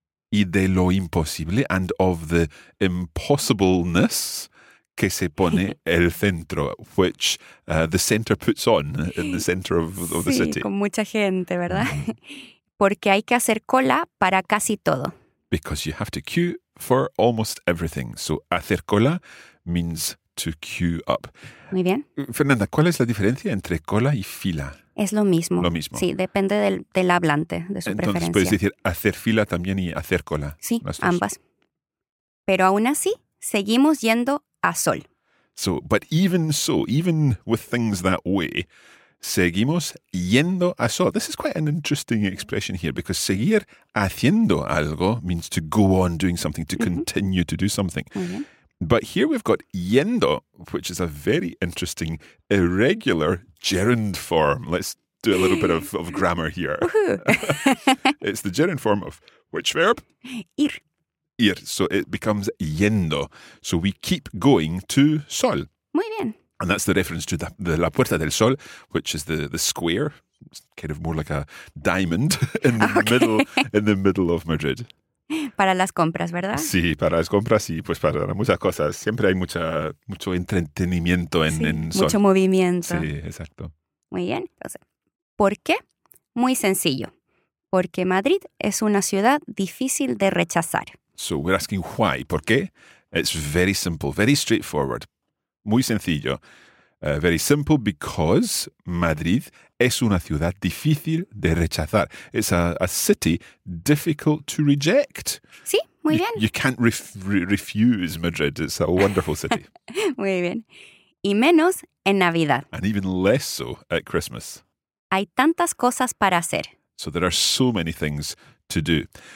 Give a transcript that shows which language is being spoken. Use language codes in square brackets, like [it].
[es] Y de lo imposible, [en] and of the impossibleness [es] que se pone el centro, [en] which the center puts on in the center of [es] sí, [en] the city. [es] Sí, con mucha gente, ¿verdad? Porque hay que hacer cola para casi todo. [en] Because you have to queue for almost everything. So, [es] hacer cola [en] means to queue up. [es] Muy bien. Fernanda, ¿cuál es la diferencia entre cola y fila? Es lo mismo. Lo mismo. Sí, depende del hablante, de su Entonces, preferencia. Entonces, puedes decir hacer fila también y hacer cola. Sí, ambas. Pero aún así, seguimos yendo a sol. [en] So, but even so, even with things that way, [es] seguimos yendo a sol. [en] This is quite an interesting expression here because [es] seguir haciendo algo [en] means to go on doing something, to continue to do something. Mm-hmm. But here we've got yendo, which is a very interesting irregular gerund form. Let's do a little bit of grammar here. It's the gerund form of which verb? [es] Ir. [en] Ir. So it becomes yendo. So we keep going to sol. [es] Muy bien. [en] And that's the reference to the La Puerta del Sol, which is the square, it's kind of more like a diamond in the okay. middle of Madrid. [es] Para las compras, ¿verdad? Sí, para las compras y pues para muchas cosas. Siempre hay mucho entretenimiento en sol. Mucho movimiento. Sí, exacto. Muy bien. Entonces, ¿por qué? Muy sencillo. Porque Madrid es una ciudad difícil de rechazar. [en] So we're asking why. [es] ¿Por qué? [en] It's very simple, very straightforward. [es] Muy sencillo. [en] Very simple because [es] Madrid es una ciudad difícil de rechazar. [en] It's a city difficult to reject. [es] Sí, muy bien. [en] You can't refuse Madrid. It's a wonderful city. [es] Muy bien. Y menos en Navidad. [en] And even less so at Christmas. [es] Hay tantas cosas para hacer. [en] So there are so many things to do.